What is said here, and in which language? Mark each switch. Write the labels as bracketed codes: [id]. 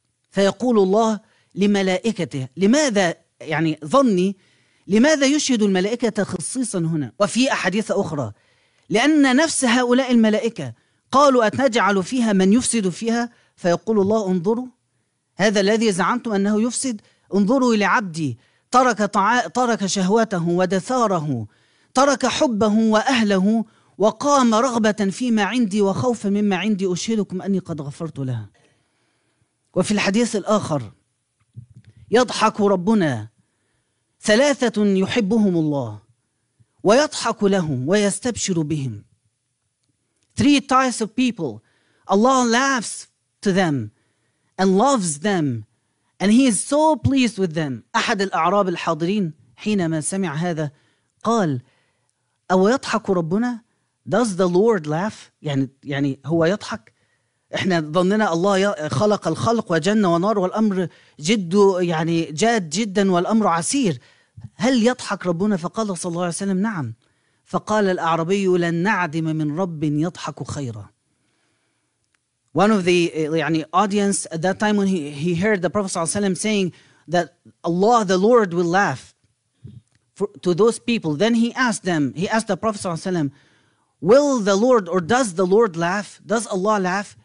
[ar] فيقول الله لملائكته، لماذا، يعني ظني، لماذا يشهد الملائكة خصيصا هنا وفي أحاديث أخرى؟ لأن نفس هؤلاء الملائكة قالوا: أتنجعل فيها من يفسد فيها؟ فيقول الله: انظروا، هذا الذي زعمتم أنه يفسد، انظروا إلى عبدي، ترك شهوته ودثاره، ترك حبه وأهله، وقام رغبة فيما عندي وخوفا مما عندي، أشهدكم أني قد غفرت لها. وفي الحديث الآخر: يضحك ربنا ثلاثة يحبهم الله ويضحك لهم ويستبشر بهم. [en] Three types of people. Allah laughs to them and loves them and he is so pleased with them. [ar] أحد الأعراب الحاضرين حينما سمع هذا قال: أو يضحك ربنا؟ [en] Does the Lord laugh؟ [ar] يعني هو يضحك؟ إحنا ظننا الله خلق الخلق وجنة ونار والأمر جاد جدا والأمر عسير، هل يضحك ربنا؟ فقال صلى الله عليه وسلم: نعم. فقال الأعربي: لن نعدم من رب يضحك خيرا. [en] One of the audience at that time when he heard the Prophet صلى الله عليه وسلم saying that Allah the Lord will laugh to those people, then he asked the Prophet صلى الله عليه وسلم: will the Lord or does the Lord laugh? Does Allah laugh?